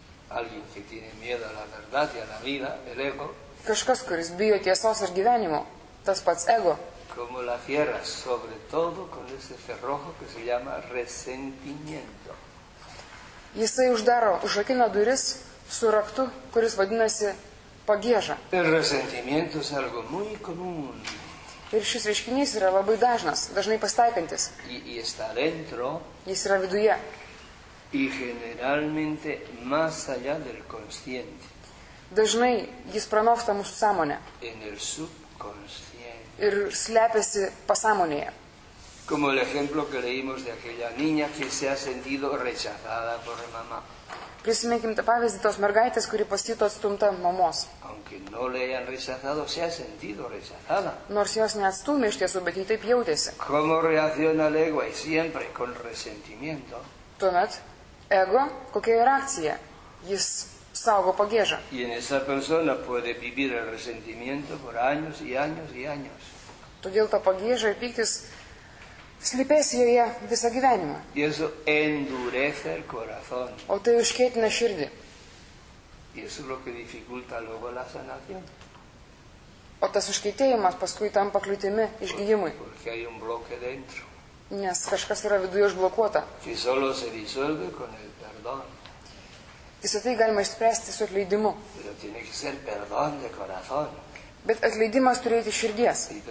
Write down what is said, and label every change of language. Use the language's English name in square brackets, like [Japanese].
[Spanish] Alguien que tiene miedo a la verdad y a la vida, el ego. [Lithuanian] Kažkas, kuris bijo tiesos ir gyvenimo, tas pats ego. [Spanish] Como la cierra, sobre todo con ese cerrojo que se llama resentimiento. [Lithuanian] Jisai uždaro užrakina duris su raktu, kuris vadinasi pagieža. [Spanish] El resentimiento es algo muy común. [Lithuanian] Ir šis reiškinys yra labai dažnas, dažnai pastaikantis. Jis yra viduje. [Spanish] Y generalmente más allá del consciente. [Lithuanian] dažnai jis pranoksta mūsų sąmonę. Ir slepiasi pasąmonėje. [Spanish] Como el ejemplo que leímos de aquella niña que se ha sentido rechazada por mamá. [Lithuanian] Prisiminkim tą pavyzdį tos mergaitės, kuri pasijuto atstumta mamos. [Spanish] Aunque no le hayan rechazado, se ha sentido rechazada. [Lithuanian] Nors jos neatstumė iš tiesų, bet ji taip jautėsi. [Spanish] Como reacciona el ego y siempre con resentimiento. [Lithuanian] Tuomet, ego, kokia reakcija? Jis saugo pagėžą. [Spanish] Y en esa persona puede vivir el resentimiento por años y años y años. [Lithuanian] Todėl ta pagėža ir pyktis slypės joje visą gyvenimą. [Spanish] Eso endurece el corazón. [Lithuanian] O tai užkietina širdį. [Spanish] Eso lo que dificulta luego la sanación. [Lithuanian] O tas užkietėjimas paskui tampa kliūtimi išgyjimui. [Spanish] Porque hay un bloque dentro. [Lithuanian] Nes kažkas yra viduje užblokuota. [Spanish] Y solo se disuelve con el perdón. [Lithuanian] Visą tai galima išspręsti su atleidimu. [Spanish] Pero tiene que ser perdón de corazón. [Lithuanian] Bet atleidimas turėti širdies.